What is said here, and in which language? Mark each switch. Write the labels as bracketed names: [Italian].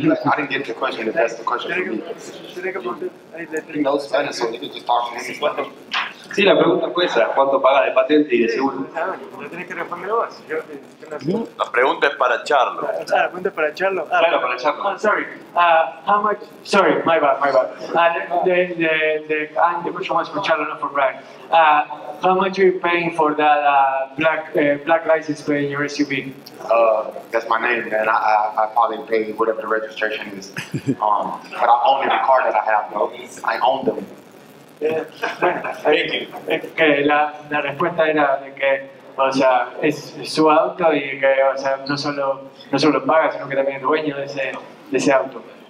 [English] I didn't get the question, if that's the question for me. He knows Spanish, so he can just talk to me. [Spanish] Sí, la pregunta fue esa, ¿cuánto paga de patente y de seguro? No tienes que responder vos. La pregunta es para Charlo. La pregunta es para Charlo. Claro, para Charlo. [English] Sorry. How much? Sorry, my bad. The question was for Charlo, not for Brian. How much are you paying for that black license plate in your SUV? That's my name, man. I probably pay whatever the registration is. But I own every car that I have, bro. I own them. [Spanish] La respuesta era de que, o sea, es su auto y que, o sea, no solo paga, sino que también es dueño de ese auto.